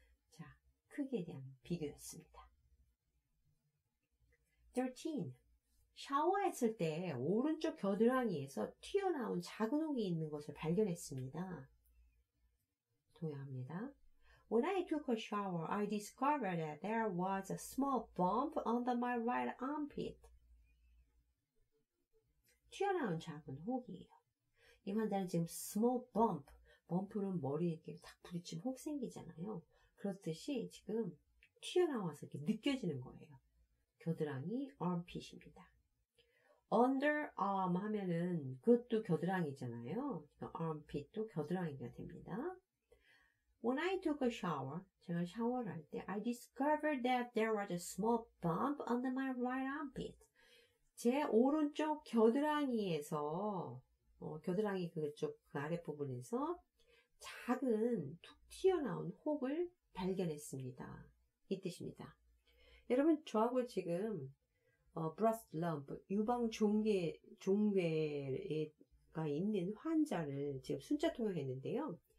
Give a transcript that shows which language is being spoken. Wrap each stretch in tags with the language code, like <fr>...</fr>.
<ko>자, 크기에 대한 비교였습니다. 13. 샤워했을 때 오른쪽 겨드랑이에서 튀어나온 작은 혹이 있는 것을 발견했습니다. 동의합니다.</ko> <en>When I took a shower, I discovered that there was a small bump under my right armpit.</en> <ko>튀어나온 작은 혹이에요. 이 환자는 지금</ko> <en>small bump,</en> <ko>범프는 머리에 이렇게 탁 부딪히면 혹 생기잖아요. 그렇듯이 지금 튀어나와서 이렇게 느껴지는 거예요. 겨드랑이 armpit입니다.</ko> <en>Underarm</en> <ko>하면은 그것도 겨드랑이잖아요. armpit도 겨드랑이가 됩니다.</ko> <en>When I took a shower,</en> <ko>제가 샤워를 할 때</ko> <en>I discovered that there was a small bump under my right armpit.</en> <ko>제 오른쪽 겨드랑이에서 겨드랑이 그쪽 그 아랫부분에서 작은 툭 튀어나온 혹을 발견했습니다. 이 뜻입니다. 여러분, 저하고 지금</ko> <en>breast lump,</en> <ko>유방 종괴가 있는 환자를 지금 순차 통역했는데요.</ko>